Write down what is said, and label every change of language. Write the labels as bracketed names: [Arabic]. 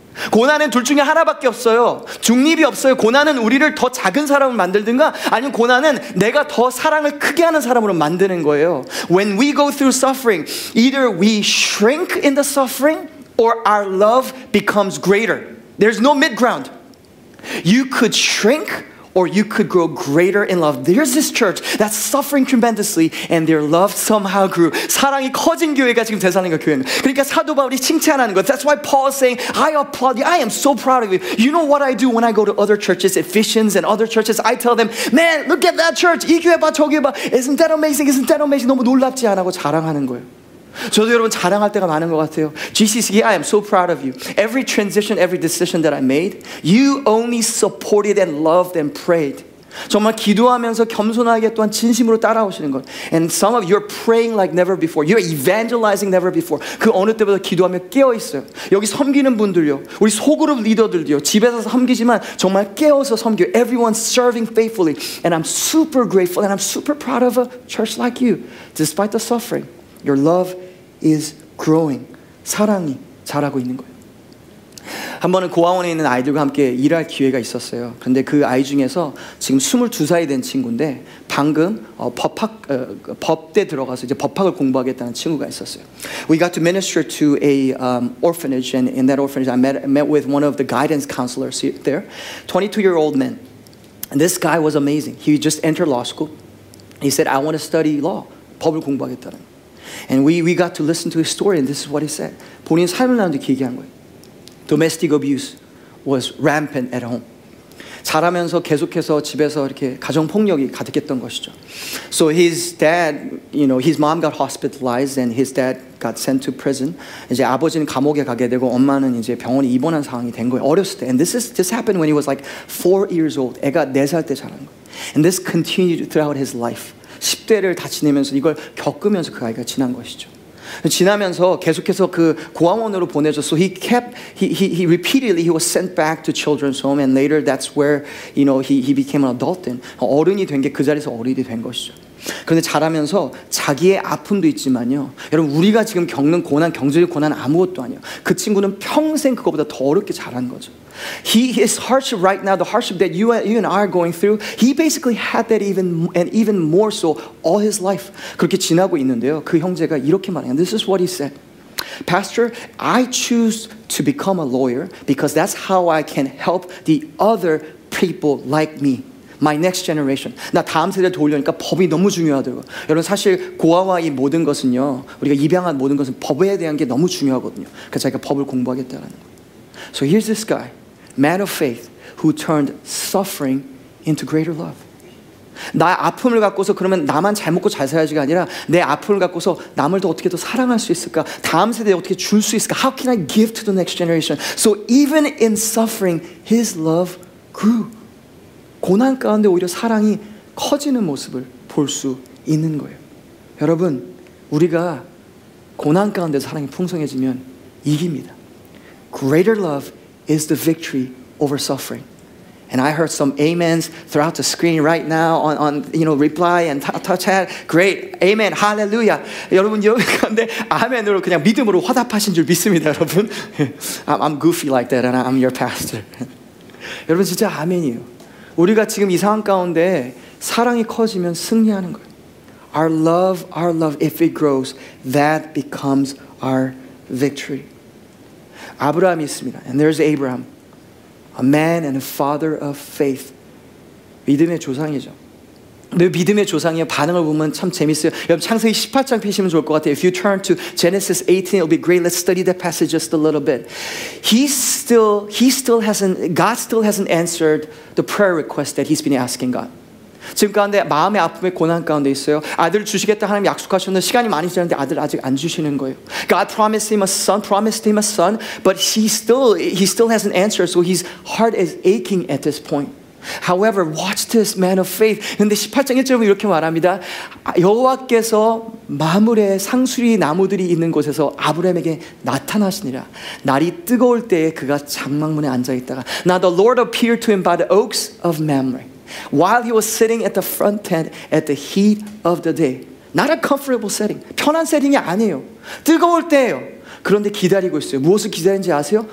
[Korean] 고난은 둘 중에 하나밖에 없어요. 중립이 없어요. 고난은 우리를 더 작은 사람을 만들든가 아니면 고난은 내가 더 사랑을 크게 하는 사람으로 만드는 거예요. [English] When we go through suffering, either we shrink in the suffering or our love becomes greater. There's no mid-ground. You could shrink or you could grow greater in love. There's this church that's suffering tremendously and their love somehow grew. [Korean] 사랑이 커진 교회가 지금 대사는가 교회는. 그러니까 사도 바울이 칭찬하는 것. [English] That's why Paul is saying, I applaud you. I am so proud of you. You know what I do when I go to other churches, Ephesians and other churches? I tell them, man, look at that church. [Korean] 이 교회 봐, 저 교회 봐. [English] Isn't that amazing? Isn't that amazing? [Korean] 너무 놀랍지 않아고 자랑하는 거예요. 저도 여러분 자랑할 때가 많은 것 같아요. [English] GCC, I am so proud of you. Every transition, every decision that I made, you only supported and loved and prayed. [Korean] 정말 기도하면서 겸손하게 또한 진심으로 따라오시는 것. [English] And some of you are praying like never before. You're evangelizing never before. [Korean] 그 어느 때보다 기도하며 깨어있어요. 여기 섬기는 분들요. 우리 소그룹 리더들도요. 집에서 섬기지만 정말 깨어서 섬겨요. [English] Everyone's serving faithfully. And I'm super grateful and I'm super proud of a church like you. Despite the suffering, your love is growing. [Korean] 사랑이 자라고 있는 거예요. 한 번은 고아원에 있는 아이들과 함께 일할 기회가 있었어요. 근데 그 아이 중에서 지금 22살이 된 친구인데 방금 법대 들어가서 이제 법학을 공부하겠다는 친구가 있었어요. [English] We got to minister to a orphanage, and in that orphanage I met with one of the guidance counselors there. 22-year-old man. And this guy was amazing. He just entered law school. He said, "I want to study law." [Korean] 법을 공부하겠다는. [English] And we got to listen to his story, and this is what he said. [Korean] 본인 삶을 나한테 얘기한 거예요. [English] Domestic abuse was rampant at home. [Korean] 자라면서 계속해서 집에서 이렇게 가정 폭력이 가득했던 것이죠. [English] So his dad, you know, his mom got hospitalized and his dad got sent to prison. [Korean] 이제 아버지는 감옥에 가게 되고 엄마는 이제 병원에 입원한 상황이 된 거예요. 어렸을 때. [English] And this happened when he was like 4 years old. [Korean] 애가 4살 때 자란 거예요. [English] And this continued throughout his life. [Korean] 10대를 다 지내면서 이걸 겪으면서 그 아이가 지난 것이죠. 지나면서 계속해서 그 고아원으로 보내줘. [English] So he kept he repeatedly he was sent back to children's home, and later that's where you know he became an adult. And [Korean] 어른이 된 게 그 자리에서 어른이 된 것이죠. 그런데 자라면서 자기의 아픔도 있지만요. 여러분 우리가 지금 겪는 고난, 경제적 고난 아무것도 아니에요. 그 친구는 평생 그거보다 더 어렵게 자란 거죠. [English] His hardship right now, the hardship that you and I are going through, he basically had that even more so all his life. [Korean] 그렇게 지나고 있는데요. 그 형제가 이렇게 말해요. [English] This is what he said. Pastor, I choose to become a lawyer because that's how I can help the other people like me. My next generation. [Korean] 나 다음 세대 도우려니까 법이 너무 중요하더라고. 여러분 사실 고아와의 모든 것은요. 우리가 입양한 모든 것은 법에 대한 게 너무 중요하거든요. 그래서 자기가 법을 공부하겠다라는 거. [English] So here's this guy. Man of faith who turned suffering into greater love. [Korean] 나 아픔을 갖고서 그러면 나만 잘 먹고 잘 살아야지가 아니라 내 아픔을 갖고서 남을 더 어떻게 더 사랑할 수 있을까? 다음 세대에 어떻게 줄 수 있을까? [English] How can I give to the next generation? So even in suffering, his love grew. [Korean] 고난 가운데 오히려 사랑이 커지는 모습을 볼 수 있는 거예요. 여러분, 우리가 고난 가운데 사랑이 풍성해지면 이깁니다. [English] Greater love is the victory over suffering. And I heard some amens throughout the screen right now on you know, reply and touch chat. Great. Amen. Hallelujah. [Korean] 여러분, 여러분, 아멘으로 그냥 믿음으로 화답하신 줄 믿습니다, 여러분. [English] I'm goofy like that and I'm your pastor. [Korean] 여러분, 진짜 아멘이에요. 우리가 지금 이 상황 가운데 사랑이 커지면 승리하는 거예요. [English] Our love, if it grows, that becomes our victory. [Korean] 아브라함이 있습니다. [English] And there's Abraham, a man and a father of faith. [Korean] 믿음의 조상이죠. 근데 믿음의 조상이 반응을 보면 참 재밌어요. 여러분 창세기 18장 펴시면 좋을 것 같아요. [English] If you turn to Genesis 18, it'll be great. Let's study that passage just a little bit. God still hasn't answered the prayer request that he's been asking God. [Korean] 지금 가운데 마음의 아픔에 고난 가운데 있어요. 아들을 주시겠다 하나님 약속하셨는데 시간이 많이 지났는데 아들 아직 안 주시는 거예요. [English] God promised him a son, but he still hasn't answered. So his heart is aching at this point. However, watch this man of faith. [Korean] 근데 18장 1절에 이렇게 말합니다. 여호와께서 마므레 상수리 나무들이 있는 곳에서 아브라함에게 나타나시니라. 날이 뜨거울 때에 그가 장막문에 앉아 있다가 [English] Now the Lord appeared to him by the oaks of Mamre. While he was sitting at the front tent at the heat of the day. Not a comfortable setting. [Korean] 편한 세팅이 아니에요. 뜨거울 때예요. 그런데 기다리고 있어요. 무엇을 기다리는지 아세요?